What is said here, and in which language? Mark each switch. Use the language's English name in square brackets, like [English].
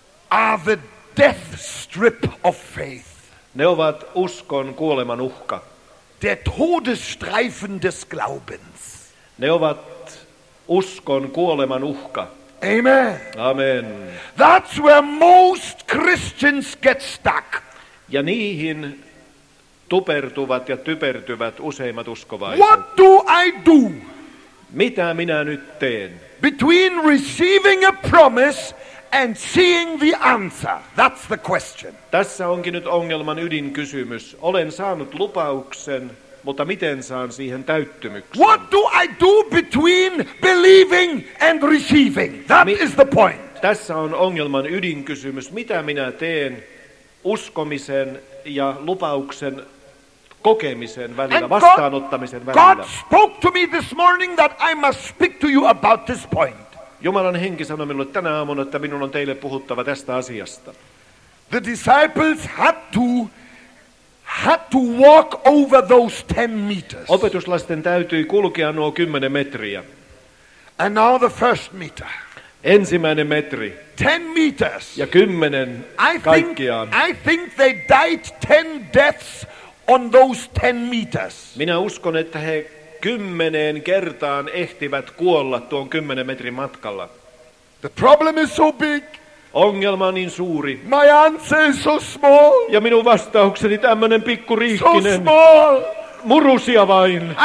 [English] Are the death strip of faith. [Finnish] Ne ovat uskon kuoleman uhka. [German] Der Todesstreifen des Glaubens. [Finnish] Ne ovat uskon kuoleman uhka. [English] Amen. [Finnish] Amen. [English] That's where most Christians get stuck. [Finnish] Ja niihin tupertuvat ja typertyvät useimmat uskovaiset. [English] What do I do? [Finnish] Mitä minä nyt teen? [English] Between receiving a promise and seeing the answer. That's the question. [Finnish] Tässä onkin nyt ongelman ydinkysymys. Olen saanut lupauksen, mutta miten saan siihen täyttymyksen? [English] What do I do between believing and receiving? That is the point. [Finnish] Tässä on ongelman ydinkysymys. Mitä minä teen uskomisen ja lupauksen kokemisen välillä, vastaanottamisen välillä? [English] God spoke to me this morning that I must speak to you about this point. [Finnish] Jumalan henki sanoi minulle tänä aamuna, että minun on teille puhuttava tästä asiasta. [English] The disciples had to walk over those 10 meters. [Finnish] Opetuslasten täytyi kulkea nuo 10 metriä. [English] And now the first meter. [Finnish] Ensimmäinen metri. [English] 10 meters. [Finnish] Ja 10 kaikkiaan. [English] I think they died 10 deaths on those 10 meters. [Finnish] Minä uskon, että he 10 kertaan ehtivät kuolla tuon 10 metrin matkalla. [English] The problem is so big. [Finnish] Ongelma on niin suuri. [English] My answer is so small. [Finnish] Ja minun vastaukseni tämmönen pikkuriikkinen. [English] So small. [Finnish] Murusia vain.